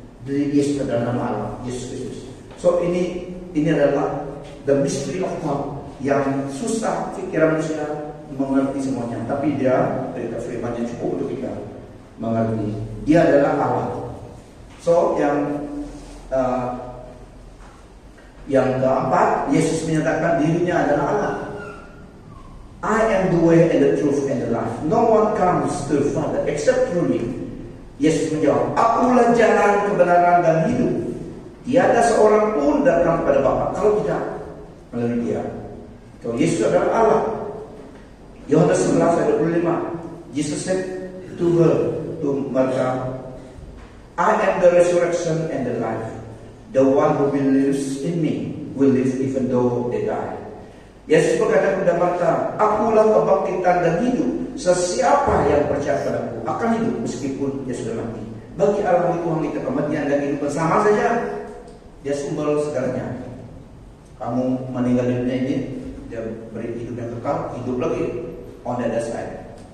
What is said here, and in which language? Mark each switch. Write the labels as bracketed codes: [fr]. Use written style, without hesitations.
[ms] Di Yesus dalam nama Allah, Yesus Kristus. So ini adalah [en] the mystery of God, [ms] yang susah pikiran manusia mengerti semuanya, tapi dia berita firman yang cukup untuk kita mengerti. Dia adalah Allah. So yang keempat, Yesus menyatakan dirinya adalah Allah. [en] I am the way and the truth and the life. No one comes to the Father except through me. [ms] Yesus menjawab, akulah jalan, kebenaran dan hidup. Tiada seorang pun datang kepada Bapa kalau tidak melalui dia. So, Yesus adalah Allah. Yohanes 11:25. [en] Yesus said to her, to Martha, I am the resurrection and the life. The one who believes in me will live even though they die. [ms] Yesus berkata kepada Martha, akulah kebangkitan dan hidup. Sesiapa yang percaya padaku akan hidup meskipun dia sudah mati. Bagi Allah Tuhan kita kematian dan hidup sama saja. Dia sumber segalanya. Kamu meninggal dunia ini, dia beri hidup yang kekal, hidup lagi [en] on the other side.